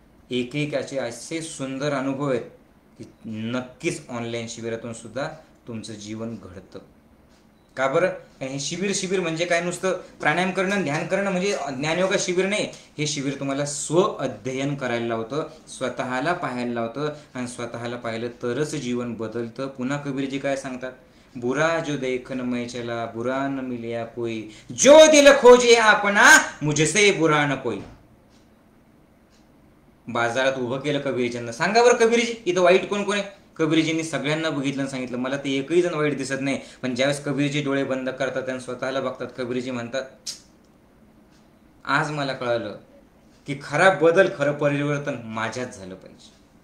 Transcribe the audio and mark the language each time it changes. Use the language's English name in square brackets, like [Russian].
[Marathi] एकेकाचे असे सुंदर अनुभव आहेत की नक्कीच ऑनलाईन शिबिरातून सुद्धा तुमचं जीवन घडतं. का बरं? हे शिबिर शिबिर म्हणजे काय? नुसतं प्राणायाम करणं, ध्यान करणं म्हणजे ज्ञानयोगा शिबिर नाही. हे शिबिर तुम्हाला स्व अध्ययन करायला लावतं, स्वतःला पाहायला लावतं. आणि स्वतःला पाहिलं तरच जीवन बदलतं. पुन्हा कबीरजी काय सांगतात? [Hindi] बुरा जो देखन मै चला, बुरा न मिलिया कोई, जो दिल खोजे आपना मुझसे बुरा न कोई. [Marathi] बाजारात उभं केलं कबीरजींना, सांगा बरं कबीरजी इथं वाईट कोण आहे? कबीरजींनी सगळ्यांना बघितलं, सांगितलं मला तर एकही जण वाईट दिसत नाही. पण ज्यावेळेस कबीरजी डोळे बंद करतात आणि स्वतःला बघतात, कबीरजी म्हणतात आज मला कळलं की खरा बदल, खरं परिवर्तन माझ्याच झालं पाहिजे.